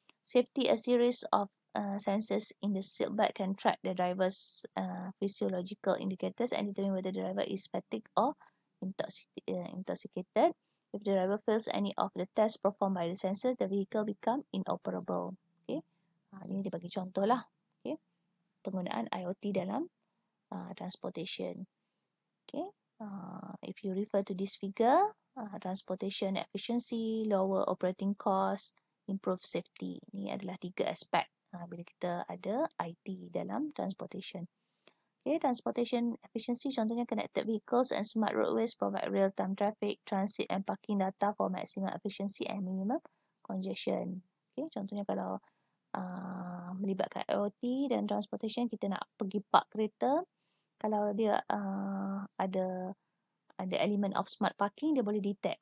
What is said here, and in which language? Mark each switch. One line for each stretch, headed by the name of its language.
English: Safety, a series of sensors in the seatbelt can track the driver's physiological indicators and determine whether the driver is fatigued or intoxicated. If the driver fails any of the tests performed by the sensors, the vehicle become inoperable.
Malay: Okay, ini dibagi contoh lah. Okay, penggunaan IoT dalam transportation.
English: Okay, if you refer to this figure, transportation efficiency, lower operating cost, improve safety.
Malay: Ini adalah tiga aspek bila kita ada IT dalam transportation.
English: Okay, transportation efficiency, contohnya connected vehicles and smart roadways provide real-time traffic, transit and parking data for maximum efficiency and minimum congestion.
Malay: Okay, contohnya kalau melibatkan IoT dan transportation, kita nak pergi park kereta, kalau dia ada elemen of smart parking, dia boleh detect.